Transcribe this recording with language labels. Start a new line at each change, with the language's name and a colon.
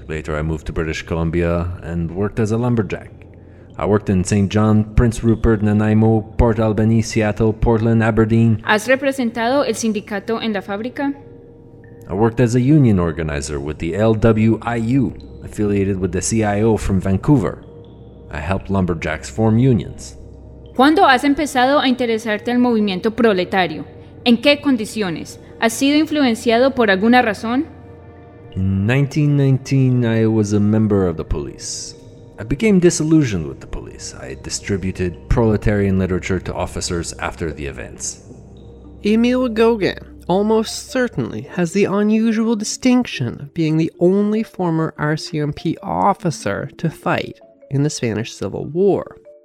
English: Later, I moved to British Columbia and worked as a lumberjack. I worked in St. John, Prince Rupert, Nanaimo, Port Albany, Seattle, Portland, Aberdeen.
Spanish: ¿Has representado el sindicato en la fábrica?
English: I worked as a union organizer with the LWIU, affiliated with the CIO from Vancouver. I helped lumberjacks form unions.
Spanish: ¿Cuándo has empezado a interesarte al movimiento proletario? ¿En qué condiciones? ¿Has sido influenciado por alguna razón?
English: In 1919, I was a member of the police. I became disillusioned with the police. I distributed proletarian literature to officers after the events. Emile Goguen almost certainly has the unusual distinction of being the only former RCMP officer to fight in the Spanish Civil War.